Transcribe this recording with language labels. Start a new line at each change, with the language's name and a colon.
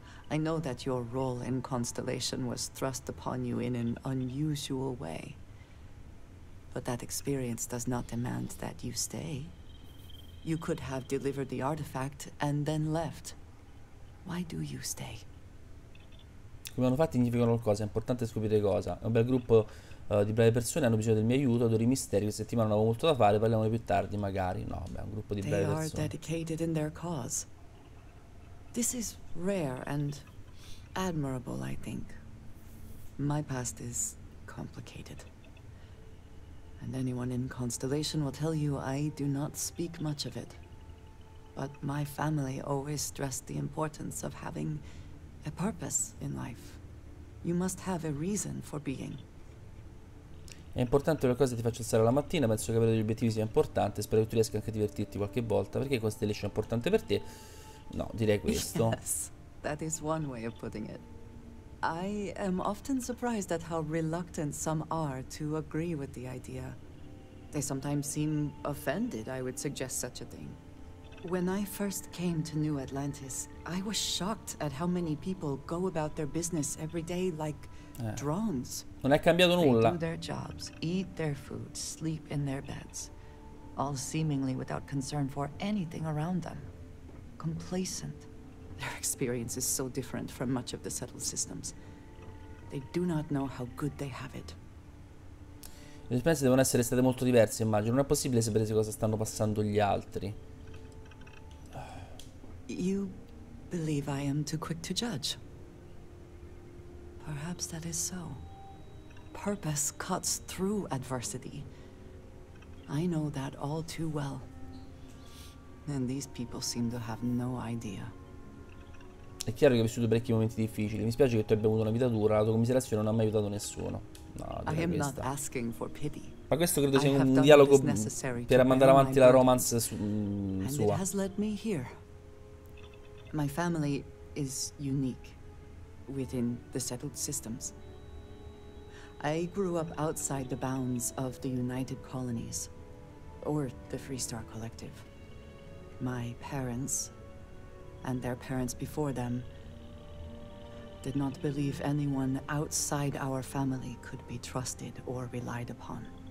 English: I know that your role in Constellation was thrust upon you in an unusual way. But that experience does not demand that you stay. You could have delivered the artifact and then left. Why do you stay?
Italian: Come hanno fatto significano qualcosa, è importante scoprire cosa. È un bel gruppo di brave persone, hanno bisogno del mio aiuto, adoro i misteri, questa settimana non avevo molto da fare, parliamo più tardi, magari. No, beh, è un gruppo di brave persone.
English: They are dedicated in their cause. This is rare and admirable, I think. My past is complicated. And anyone in Constellation will tell you I do not speak much of it. But my family always stressed the importance of having a purpose in life. You must have a reason for being.
Italian: È importante una cosa che ti faccio alzare la mattina, penso che avere degli obiettivi sia importante, spero che tu riesca anche a divertirti qualche volta, perché Constellation è importante per te. No, direi questo.
English: Yes, that is one way of putting it. I am often surprised at how reluctant some are to agree with the idea. They sometimes seem offended I would suggest such a thing. When I first came to New Atlantis, I was shocked at how many people go about their business every day like drones.
Italian: Non è cambiato nulla.
English: They do their jobs, eat their food, sleep in their beds, all seemingly without concern for anything around them. Complacent. Their experience is so different from much of the settled systems. They do not know how good they have it.
Italian: Le esperienze devono essere state molto diverse, immagino. Non è possibile sapere se cosa stanno passando gli altri.
English: You believe I am too quick to judge. Perhaps that is so. Purpose cuts through adversity. I know that all too well. And these people seem to have no idea.
Italian: È chiaro che ho vissuto parecchi momenti difficili. Mi spiace che tu abbia avuto una vita dura. La tua commiserazione non ha mai aiutato nessuno. No,
English: I am not asking for pity.
Italian: Ma questo credo sia un dialogo per mandare avanti la romance sua.
English: And it has led me here. My family is unique within the settled systems. I grew up outside the bounds of the United Colonies or the Freestar Collective. My parents and their parents before them did not believe anyone outside our family could be trusted or relied upon.